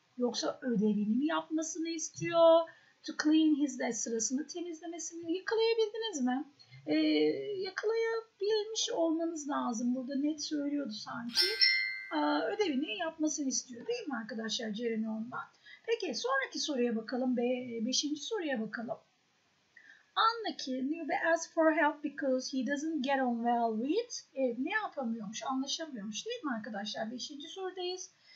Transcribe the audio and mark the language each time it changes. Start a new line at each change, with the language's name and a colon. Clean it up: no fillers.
Turkish: Yoksa ödevini mi yapmasını istiyor?
English: To clean his desk,
Turkish: sırasını temizlemesini. Yakalayabildiniz mi? Yakalayabilmiş olmanız lazım. Burada net söylüyordu sanki. Ödevini yapmasını istiyor değil mi arkadaşlar Jeremy ondan? Peki sonraki soruya bakalım. Beşinci soruya bakalım.
English: Unlucky newbie asked for help because he doesn't get on well with.
Turkish: Ne yapamıyormuş, anlaşamıyormuş değil mi arkadaşlar? Beşinci sorudayız.